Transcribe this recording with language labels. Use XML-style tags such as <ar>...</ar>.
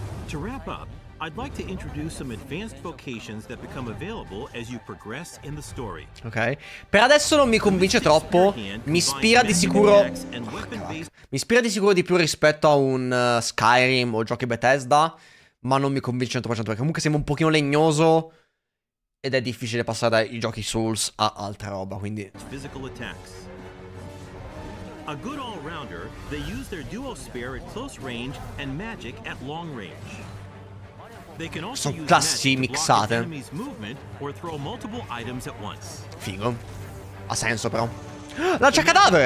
<en>To wrap up, I'd like to introduce some advanced vocations that become available as you progress in the story.</en> <it>Ok. Per adesso non mi convince troppo. Mi ispira di sicuro. Mi ispira di sicuro di più rispetto a un Skyrim o giochi Bethesda. Ma non mi convince 100%. Perché comunque sembra un pochino legnoso. Ed è difficile passare dai giochi Souls a altra roba. Quindi.</it> <en>Physical attacks. A good all-rounder, they use their duo spear at close range and magic at long range. They can also use</en> <it>classi mixate.</it> <en>Enemy's movement or throw multiple items at once.</en> <it>Figo. Ha senso però. Lancia cadavere.</it>